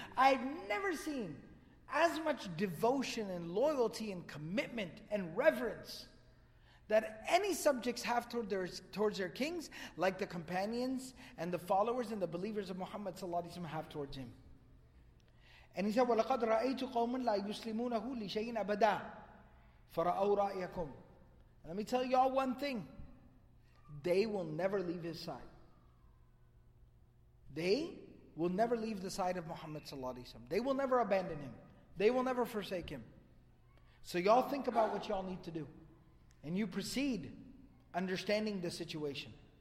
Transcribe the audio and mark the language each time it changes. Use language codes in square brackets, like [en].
[en] I've never seen as much devotion and loyalty and commitment and reverence that any subjects have towards their kings, like the companions and the followers and the believers of Muhammad ﷺ have towards him. And he said, [ar] وَلَقَدْ رَأَيْتُ قَوْمٌ لَا يُسْلِمُونَهُ لِشَيْءٍ أَبَدًا فَرَأَوْ رَأْيَكُمْ. [en] Let me tell y'all one thing. They will never leave his side. They will never leave the side of Muhammad ﷺ. They will never abandon him. They will never forsake him. So y'all think about what y'all need to do. And you proceed understanding the situation.